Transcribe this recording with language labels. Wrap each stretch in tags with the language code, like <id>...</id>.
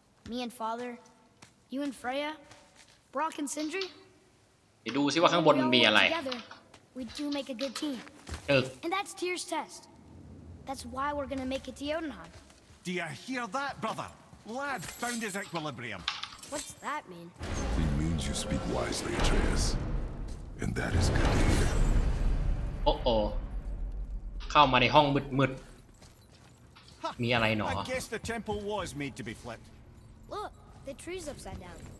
<en>Me and Father, you and Freya, Brock and Sindri.</en> <th>ดูซิว่าข้างบนมีอะไร</th> <en>We do make a good team. And that's Tyr's test. That's why we're gonna make it to Jotunheim. Do you hear that, brother? Lad found his equilibrium. What's that mean? It means you speak wisely, Atreus. And that is good to hear. Uh-oh.</en> <th>เข้ามาในห้องมืดๆมีอะไรหนอ</th> <en>I guess the temple was made to be flipped. Look, the tree's upside down.</en>